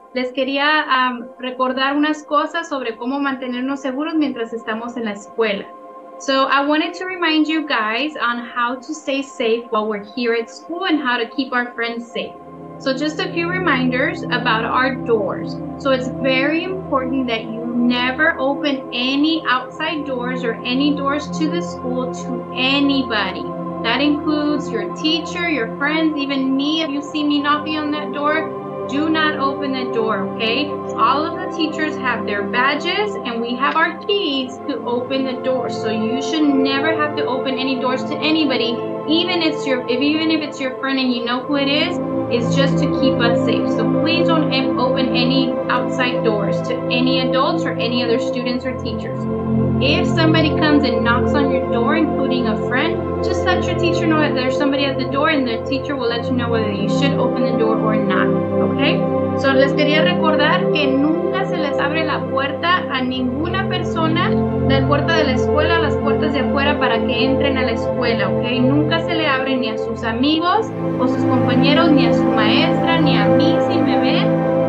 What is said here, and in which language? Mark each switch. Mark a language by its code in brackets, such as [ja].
[es] Les quería recordar unas cosas sobre cómo mantenernos seguros mientras estamos en la escuela. [en] So I wanted to remind you guys on how to stay safe while we're here at school and how to keep our friends safe. So just a few reminders about our doors. So it's very important that you never open any outside doors or any doors to the school to anybody. That includes your teacher, your friends, even me. If you see me knocking on that door, do not open that door, okay? All of the teachers have their badges and we have our keys to open the door. So you should never have to open any doors to anybody. Even if it's your friend and you know who it is, it's just to keep us safe. So please don't open any outside doors to any adults or any other students or teachers. If somebody comes and knocks on your door, including a friend, just let your teacher know that there's somebody at the door and the teacher will let you know whether you should open the door or not, okay? [es] So les quería recordar que nunca se les abre la puerta a ninguna persona de la puerta de la escuela a las puertas de afuera para que entren a la escuela, okay? Nunca se le abre ni a sus amigos o sus compañeros, ni a su maestra, ni a mí si me ven.